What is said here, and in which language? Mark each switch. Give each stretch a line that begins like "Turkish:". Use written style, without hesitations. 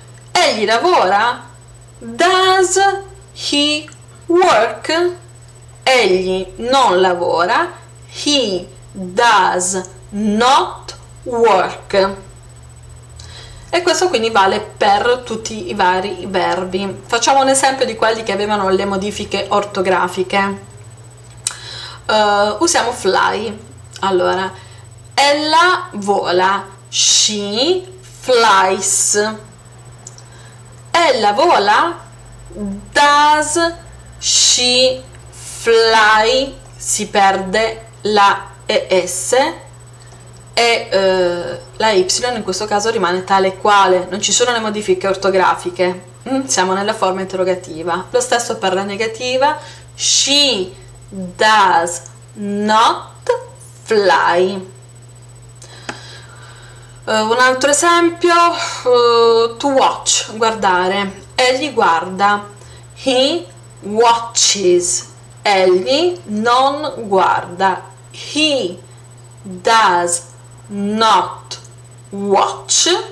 Italian: Egli lavora,
English: does he work?
Italian: Egli non lavora,
English: he does not work.
Italian: E questo quindi vale per tutti i vari verbi. Facciamo un esempio di quelli che avevano le modifiche ortografiche. Usiamo fly. Allora, ella vola,
English: she flies.
Italian: Ella vola,
English: does she fly?
Italian: Si perde la ES. E la Y in questo caso rimane tale quale, non ci sono le modifiche ortografiche, siamo nella forma interrogativa. Lo stesso per la negativa,
English: she does not fly.
Italian: Un altro esempio, to watch, guardare. Egli guarda,
English: he watches,
Italian: egli non guarda,
English: he does not watch.